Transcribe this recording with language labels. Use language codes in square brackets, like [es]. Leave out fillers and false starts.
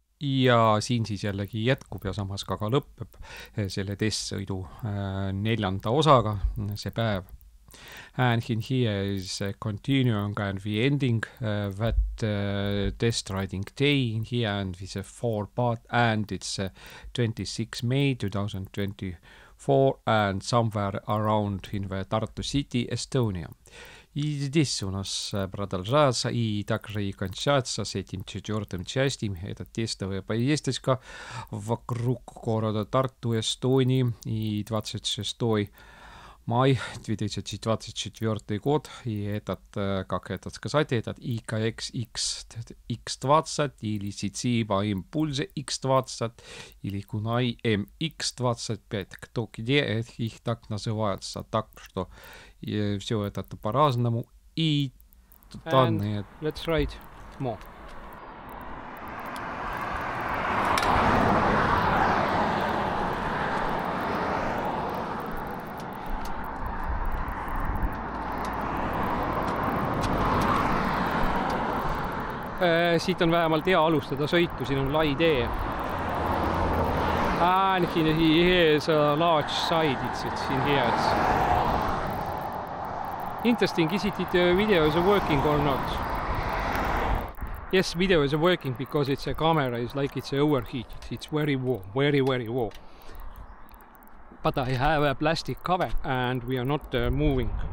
[et] ja siin siis jällegi jätkub ja samas ka lõpeb selle testsõidu neljanda osaga see päev. [en] And in here is continuing and we ending that test riding day in here and with a four part and it's 26 May 2024 and somewhere around in the Tartu city, Estonia. [ru] Здесь у нас продолжается и также и кончается с этим четвертым частью. Это тестовая поездочка вокруг города Тарту, Эстонии и 26 мая 2024 года. И этот, как это сказать, этот IKX X20 или Сициба Импульзе X20 или Кунай MX25. Кто где их так называется. Так что все это по-разному. И данные... [en] And let's ride more. [et] Siit on vähemalt hea alustada sõitu, siin on lai tee. [en] And here's a large side, it's in here. It's interesting, is it the video is working or not? Yes, video is working because it's a camera, it's like it's overheated. It's very warm, very, very warm. But I have a plastic cover and we are not moving.